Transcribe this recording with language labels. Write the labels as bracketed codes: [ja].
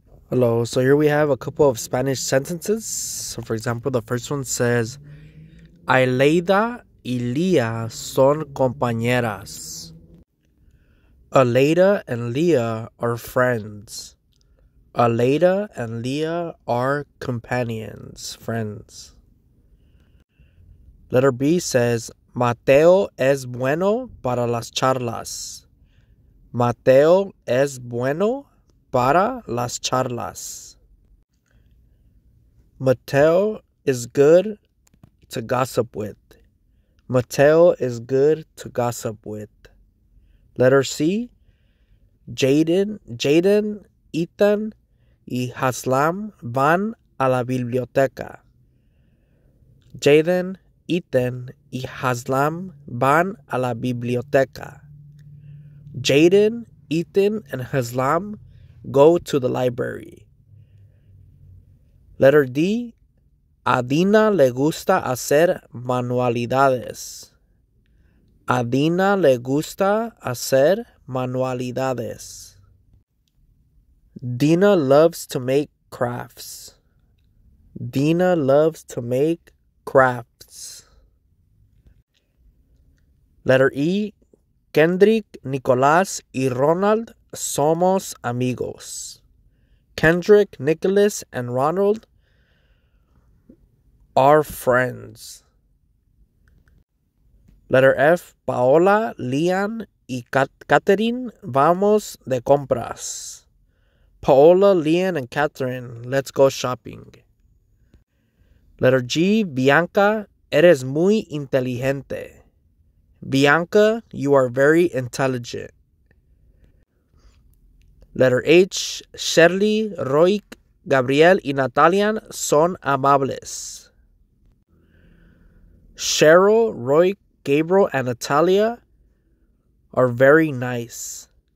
[en] Hello, so here we have a couple of Spanish sentences. So for example, the first one says, [es] Aleida y Lia son compañeras. [en] Aleida and Lia are friends. Aleida and Lia are companions, friends. Letter B says, [es] Mateo es bueno para las charlas. Mateo es bueno para las charlas. [en] Mateo is good to gossip with. Mateo is good to gossip with. Letter C. [es] Jaden, Ethan, y Haslam van a la biblioteca. Jaden, Ethan, y Haslam van a la biblioteca. [en] Jaden, Ethan, and Haslam go to the library. Letter D. [es] A Dina le gusta hacer manualidades. A Dina le gusta hacer manualidades. [en] Dina loves to make crafts. Dina loves to make crafts. Letter E. [es] Kendrick, Nicolás, y Ronald somos amigos. [en] Kendrick, Nicholas, and Ronald are friends. Letter F. [es] Paola, Leon, y Catherine vamos de compras. [en] Paola, Leon, and Catherine, let's go shopping. Letter G. [es] Bianca, eres muy inteligente. [en] Bianca, you are very intelligent. Letter H, [es] Shirley, Roy, Gabriel, y Natalia son amables. [en] Cheryl, Roy, Gabriel, and Natalia are very nice.